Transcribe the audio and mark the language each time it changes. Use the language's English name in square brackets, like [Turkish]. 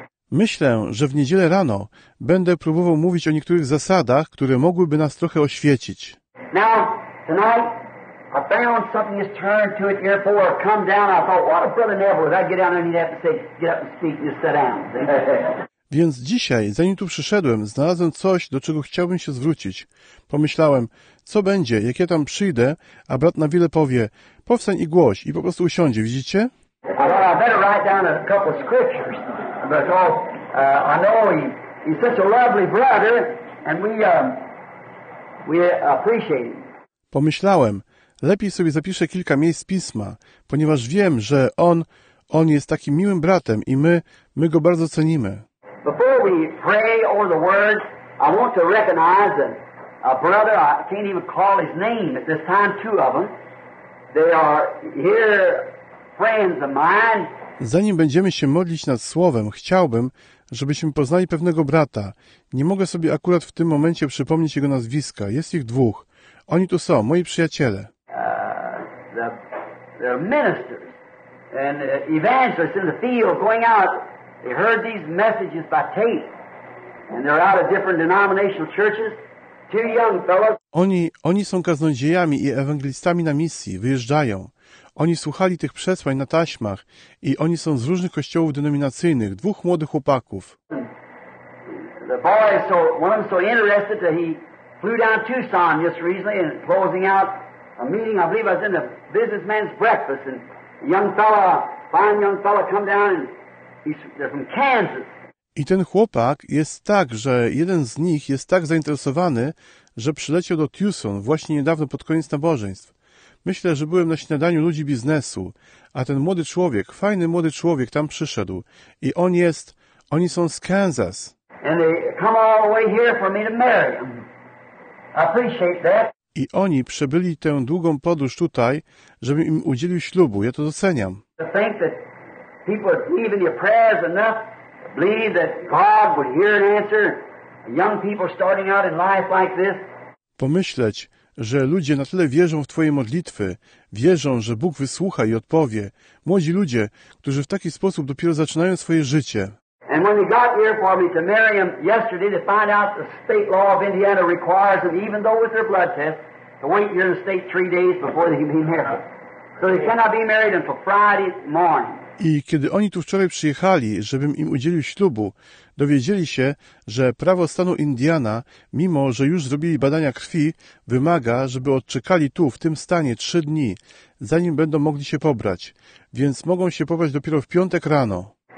[Polish] Myślę, że w niedzielę rano będę próbował mówić o niektórych zasadach, które mogłyby nas trochę oświecić. [English] Now, tonight, I found something has turned to it here for come down. I thought, what a brother Neville, would I get down there and he'd have to say, get up and speak, just sit down. [Polish] Więc dzisiaj, zanim tu przyszedłem, znalazłem coś, do czego chciałbym się zwrócić. Pomyślałem, co będzie, jak ja tam przyjdę, a brat Neville powie, powstań i głoś, i po prostu usiądzie, widzicie? [English] I thought I'd better write down a couple of scriptures, because I know he's such a lovely brother, and we appreciate him. [Polish] Pomyślałem, lepiej sobie zapiszę kilka miejsc pisma, ponieważ wiem, że on jest takim miłym bratem i my go bardzo cenimy. [English] Before we pray over the words, I want to recognize a brother, I can't even call his name at this time, two of them. They are here friends of mine. [Polish] Zanim będziemy się modlić nad słowem, chciałbym, żebyśmy poznali pewnego brata. Nie mogę sobie akurat w tym momencie przypomnieć jego nazwiska. Jest ich dwóch. Oni tu są, moi przyjaciele. [English] They're ministers and evangelists in the field going out. They heard these messages by tape and they're out of different denominational churches. Two young fellows. [Polish] Oni są kaznodziejami i ewangelistami na misji, wyjeżdżają. Oni słuchali tych przesłań na taśmach i oni są z różnych kościołów denominacyjnych. Dwóch młodych chłopaków. [English] The boy is so, one of them so interested that he flew down to Tucson just recently and closing out a meeting, I believe I was in a businessman's breakfast, and a young fella, fine young fella, come down and they're from Kansas. [Polish] I ten chłopak jest tak, że jeden z nich jest tak zainteresowany, że przyleciał do Tucson właśnie niedawno pod koniec nabożeństw. Myślę, że byłem na śniadaniu ludzi biznesu, a ten młody człowiek, fajny młody człowiek tam przyszedł i oni są z Kansas. [English] And they come all the way here for me to marry them. I appreciate that. [Polish] I oni przebyli tę długą podróż tutaj, żebym im udzielił ślubu. Ja to doceniam. [English] To think that people believe in your prayers enough, believe that God would hear an answer, young people starting out in life like this. [Polish] Pomyśleć, że ludzie na tyle wierzą w Twoje modlitwy, wierzą, że Bóg wysłucha i odpowie. Młodzi ludzie, którzy w taki sposób dopiero zaczynają swoje życie. [English] And when they got here for me to marry him yesterday, they find out the state law of Indiana requires them, even though with their blood test, to wait here in the state 3 days before they can be married. So they cannot be married until Friday morning. [Polish] I kiedy oni tu wczoraj przyjechali, żebym im udzielił ślubu, dowiedzieli się, że prawo stanu Indiana, mimo że już zrobili badania krwi, wymaga, żeby odczekali tu, w tym stanie, 3 dni, zanim będą mogli się pobrać. Więc mogą się pobrać dopiero w piątek rano.